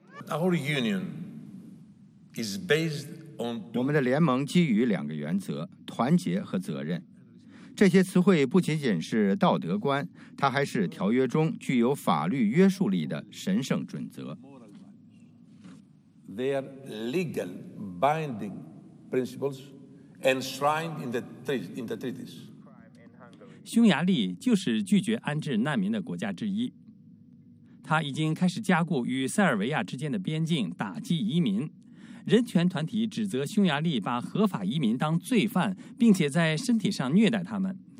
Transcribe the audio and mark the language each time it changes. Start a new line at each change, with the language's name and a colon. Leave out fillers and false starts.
Chinese: 我们的联盟基于两个原则，团结和责任。这些词汇不仅仅是道德观，它还是条约中具有法律约束力的神圣准则。
English: They are legal binding principles enshrined in the treaties.
Chinese: 匈牙利就是拒绝安置难民的国家之一。他已经开始加固与塞尔维亚之间的边境，打击移民。人权团体指责匈牙利把合法移民当罪犯，并且在身体上虐待他们。